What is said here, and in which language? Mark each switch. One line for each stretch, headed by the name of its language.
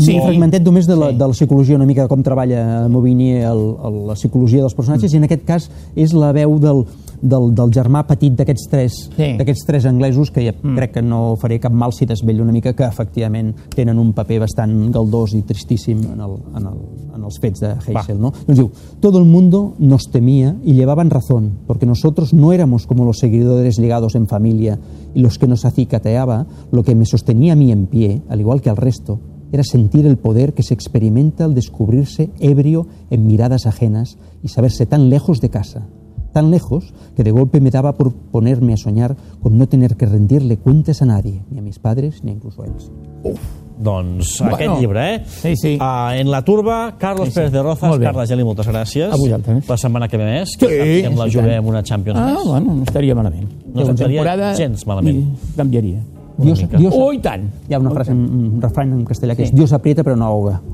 Catalan: Sí, un fragmentet només de la psicologia, una mica de com treballa Movini la psicologia dels personatges, i en aquest cas és la veu del germà petit d'aquests tres anglesos, que ja crec que no faré cap mal si desvello una mica que efectivament tenen un paper bastant galdós i tristíssim en els fets de Heysel, no? Doncs diu:
Spanish: "Todo el mundo nos temía y llevaban razón, porque nosotros no éramos como los seguidores ligados en familia y los que nos acicateaba. Lo que me sostenía a mí en pie, al igual que al resto, era sentir el poder que se experimenta al descubrirse ebrio en miradas ajenas y saberse tan lejos de casa. Tan lejos que de golpe me daba por ponerme a soñar con no tener que rendirle cuentas a nadie, ni a mis padres, ni incluso a ellos".
Catalan: Aquest llibre, En la turba, Carlos Pérez de Rozas, Carles Geli, moltes gràcies. A vosaltres. La setmana que ve més, que sembla juguem una Champions més. No estaria malament. No estaria gens malament. Canviaria. I tant! Hi ha una frase, un refrany en castellà, que és:
Spanish: "Dios aprieta,
Catalan: però
Spanish: no ahoga".